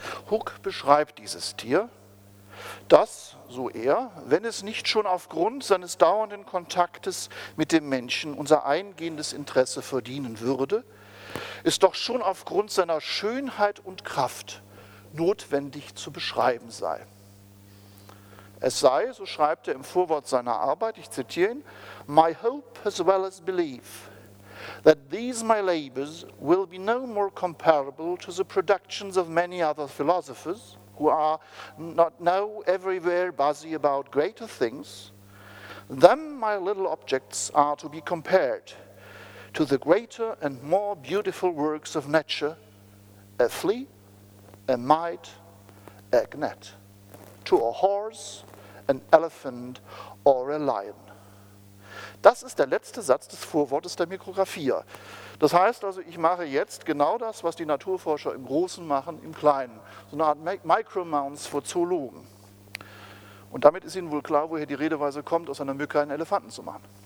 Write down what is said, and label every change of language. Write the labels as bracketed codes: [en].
[de] Hook beschreibt dieses Tier, das, so er, wenn es nicht schon aufgrund seines dauernden Kontaktes mit dem Menschen unser eingehendes Interesse verdienen würde, es doch schon aufgrund seiner Schönheit und Kraft notwendig zu beschreiben sei. Es sei, so schreibt er im Vorwort seiner Arbeit, ich zitiere ihn, [en] "My hope as well as belief that these my labors will be no more comparable to the productions of many other philosophers who are not now everywhere busy about greater things, than my little objects are to be compared to the greater and more beautiful works of nature, a flea, a mite, a gnat, to a horse, an elephant or a lion." [de] Das ist der letzte Satz des Vorwortes der Mikrographia. Das heißt also, ich mache jetzt genau das, was die Naturforscher im Großen machen, im Kleinen. So eine Art Micromounts für Zoologen. Und damit ist Ihnen wohl klar, woher die Redeweise kommt, aus einer Mücke einen Elefanten zu machen.